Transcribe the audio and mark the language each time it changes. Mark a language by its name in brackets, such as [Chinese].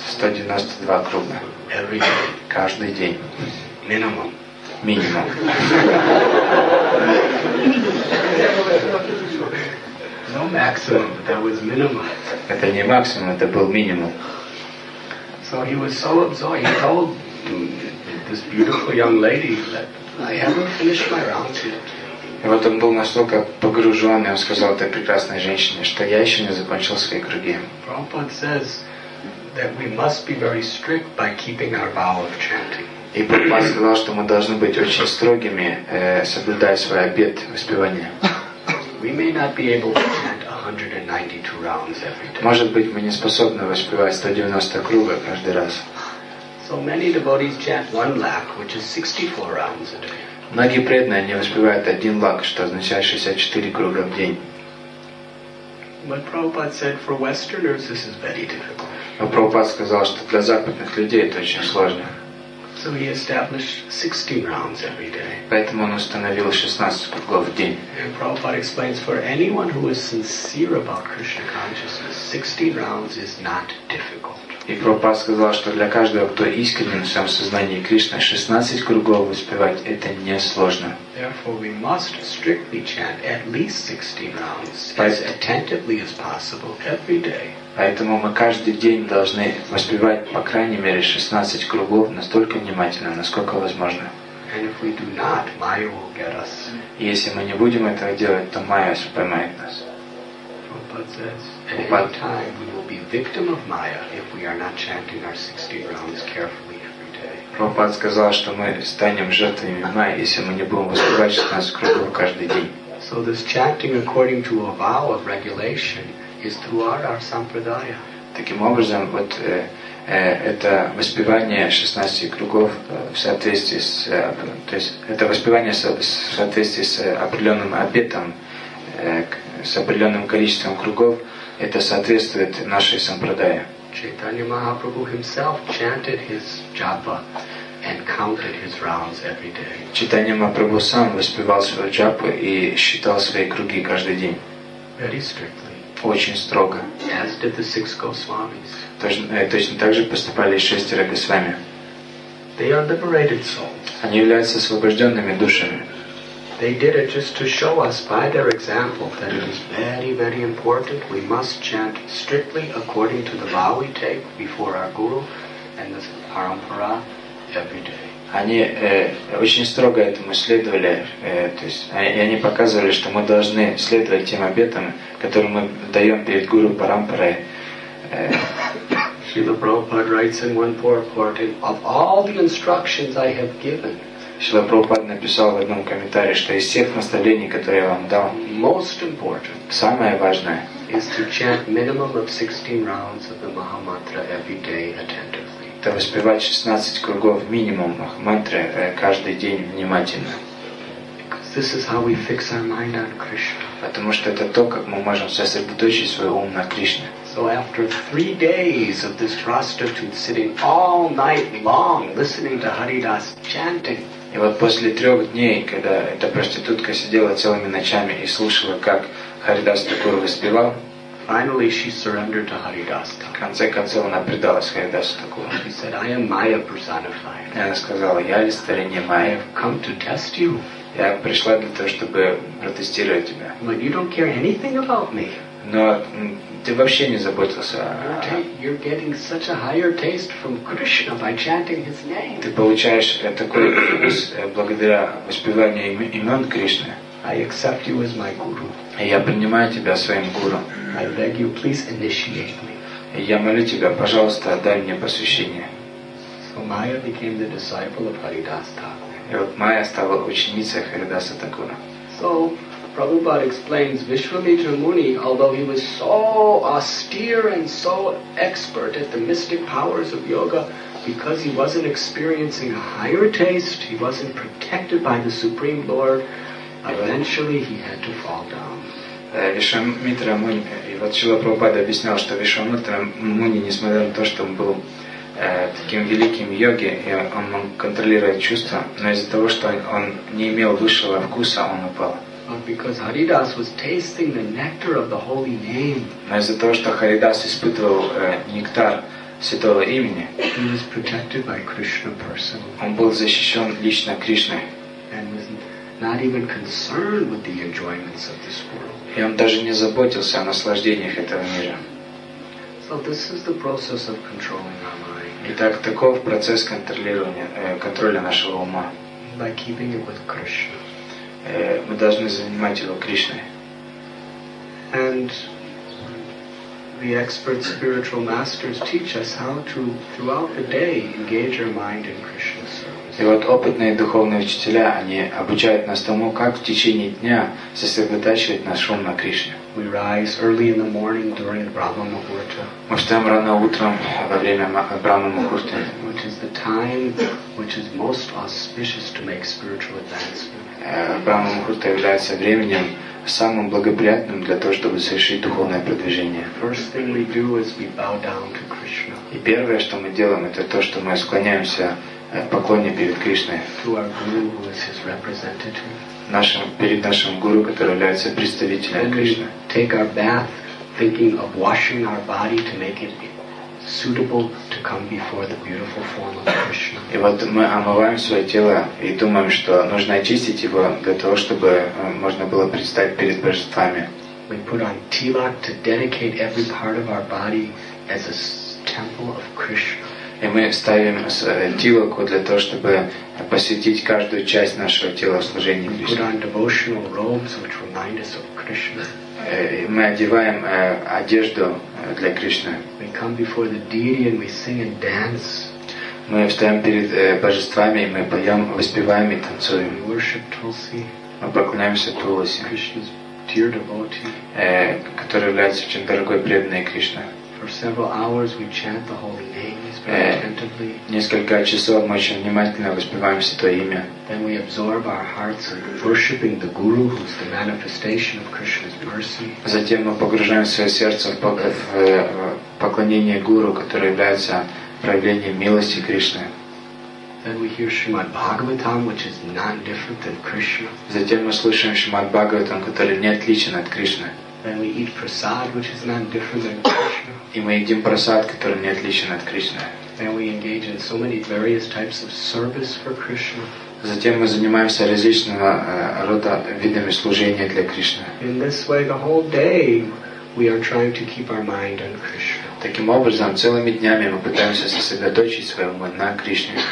[Russian] 192 круга. [English] Every day. [Russian] Каждый день. [English] Minimum. [Russian] Минимум. [English] No maximum, that was minimum. [Russian] Это не максимум, это был минимум. [English] So he was so absorbed. He told this beautiful young lady that I haven't finished my rounds yet. [Russian] И вот он был настолько погружен, и он сказал этой прекрасной женщине, что я еще не закончил свои круги. [English] Prabhupada says that we must be very strict by keeping our vow of chanting. [Russian] И Прабхупада сказал, что мы должны быть очень строгими, соблюдая свой обет воспевания. [English] We may not be able to chant 192 rounds every day. [Russian] Может быть, мы не способны воспевать 190 кругов каждый раз. [English] So many devotees chant one lakh, which is 64 rounds a day. [Russian] Многие преданные не воспевают один лак, что означает 64 круга в день. [English] But Prabhupada said for Westerners this is very difficult. [Russian] Но Прабхупада сказал, что для западных людей это очень сложно. [English] So he established 16 rounds every day. [Russian] Поэтому он установил 16 кругов в день. [English] And Prabhupada explains for anyone who is sincere about Krishna consciousness, 16 rounds is not difficult. [Russian] И Прабхупада сказал, что для каждого, кто искренен в своем сознании Кришны, 16 кругов воспевать – это несложно. [English] Therefore, we must strictly chant at least 16 rounds as attentively as possible every day. [Russian] Поэтому мы каждый день должны воспевать по крайней мере 16 кругов настолько внимательно, насколько возможно. [English] And if we do not, Maya will get us. [Russian] И если мы не будем этого делать, то Майя поймает нас. [English] Says, at any time we will be victim of Maya if we are not chanting our 16 rounds carefully every day. [Russian] Prabhupada сказал, что мы станем жертвами Майи, если мы не будем воспевать 16 кругов каждый день. [English] So this chanting according to a vow of regulation is throughout our sampradaya. [Russian] Таким образом, вот это воспевание 16 кругов в соответствии с, то есть это воспевание в соответствии с определенным обетом. С определенным количеством кругов это соответствует нашей сампрадае. [English] Чайтанья Махапрабху himself chanted his japa and counted his rounds every day. [Russian] Чайтанья Махапрабху сам воспевал свою джапу и считал свои круги каждый день. [English] Very strictly. [Russian] Очень строго. [English] As did the six Goswamis. [Russian] Точно так же поступали и шестеро госвами. [English] They are liberated souls. [Russian] Они являются освобожденными душами. [English] They did it just to show us by their example that it is very, very important. We must chant strictly according to the vow we take before our guru and the parampara every day. [Russian] Они очень строго этому следовали, то есть они показывали, что мы должны следовать тем обетам, которые мы даем перед гуру парампарой. [English] Srila Prabhupada writes in one purport, of all the instructions I have given. [Russian] Шрила Прабхупада написал в одном комментарии, что из всех наставлений, которые я вам дал, [English] most important [Russian] самое важное [English] is to chant minimum of 16 rounds of the Mahamantra every day attentively. [Russian] Это воспевать 16 кругов минимум Махамантры каждый день внимательно. [English] Because this is how we fix our mind on Krishna. [Russian] Потому что это то, как мы можем сосредоточить свой ум на Кришне. [English] So after 3 days of this prostitute sitting all night long listening to Haridas chanting. [Russian] И вот после 3 дней, когда эта проститутка сидела целыми ночами и слушала, как Харидас Такур воспевал, [English] finally she surrendered to Haridas. [Russian] В конце концов она предалась Харидасу Такуру. [English] She said, I am Maya personified. [Russian] И она сказала, я ли старение Майя? [English] I have come to test you. [Russian] Я пришла для того, чтобы протестировать тебя. [English] But you don't care anything about me. [Russian] Но ты вообще не заботился. [English] You're getting such a higher taste from Krishna by chanting his name. [Russian] Ты получаешь такой вкус благодаря воспеванию имен Кришны. [English] I accept you as my guru. [Russian] Я принимаю тебя своим гуру. [English] I beg you, please initiate me. [Russian] Я молю тебя, пожалуйста, дай мне посвящение. [English] So Maya became the disciple of Haridas Thakura. [Russian] И вот Майя стала ученицей Харидаса Такура. [English] So Prabhupada explains Vishwamitra Muni, although he was so austere and so expert at the mystic powers of yoga, because he wasn't experiencing a higher taste, he wasn't protected by the Supreme Lord, eventually he had to fall down. [Russian] Vishwamitra Muni, и вот Шрила Прабхупада объяснял, что Vishwamitra Muni, несмотря на то, что он был таким великим йоги, и он мог контролировать чувства, но из-за того, что он не имел высшего вкуса, он упал. [English] But because Haridas was tasting the nectar of the holy name. [Russian] Но из-за того, что Харидас испытывал нектар святого имени, [English] he was protected by Krishna personally. [Russian] Он был защищен лично Кришной. [English] And was not even concerned with the enjoyments of this world. [Russian] И он даже не заботился о наслаждениях этого мира. [English] So this is the process of controlling our mind. [Russian] Итак, таков процесс контролирования, контроля нашего ума. [English] By keeping it with Krishna. [Russian] Мы должны занимать его Кришной. [English] And the expert spiritual masters teach us how to throughout the day engage our mind in Krishna's service. [Russian] И вот опытные духовные учителя, они обучают нас тому, как в течение дня сосредотачивать наш ум на Кришне. [English] We rise early in the morning during Brahma Muhurta. [Russian] Мы встаем рано утром во время Брахма Мухурты. [English] Which is the time which is most auspicious to make spiritual advancement. [Russian] Брахма Мухурта является временем самым благоприятным для того, чтобы совершить духовное продвижение. [English] First thing we do is we bow down to Krishna. [Russian] И первое, что мы делаем, это то, что мы склоняемся в поклоне перед Кришной. [English] To our guru, who is his representative. [Russian] Перед нашим гуру, который является представителем Кришны. [English] And we take our bath, thinking of washing our body to make it suitable to come before the beautiful form of Krishna. [Russian] И вот мы омываем свое тело и думаем, что нужно очистить его для того, чтобы можно было предстать перед божествами. [English] We put on tilak to dedicate every part of our body as a temple of Krishna. [Russian] И мы ставим тилак для того, чтобы посвятить каждую часть нашего тела в служении Кришне. [English] We put on devotional robes which remind us of Krishna. [Russian] Мы одеваем одежду для Кришны. [English] We come before the deity and we sing and dance. [Russian] Мы встаем перед божествами, и мы поем, воспеваем и танцуем. [English] We worship Tulsi. [Russian] Мы поклоняемся Туласи, [English] Krishna's dear devotee. [Russian] Который является очень дорогой преданной Кришне. [English] For several hours we chant the holy names very attentively. [Russian] Несколько часов мы очень внимательно воспеваем Святое Имя. [English] Then we absorb our hearts in worshiping the Guru, who is the manifestation of Krishna's mercy. [Russian] Затем мы погружаем свое сердце в поклонение Гуру, который является проявлением милости Кришны. [English] Then we hear Shrimad Bhagavatam, which is not different than Krishna. [Russian] Затем мы слышим Шримад Бхагаватам, который не отличен от Кришны. [English] And we eat prasad, which is not different than Krishna. [Russian] И мы едим просад, который не отличен от Кришны. [English] And we engage in so many various types of service for Krishna. [Russian] Затем мы занимаемся различного рода видами служения для Кришны. [English] In this way, the whole day we are trying to keep our mind on Krishna. [Russian] Таким образом, целыми днями мы пытаемся сосредоточить свой ум на Кришне.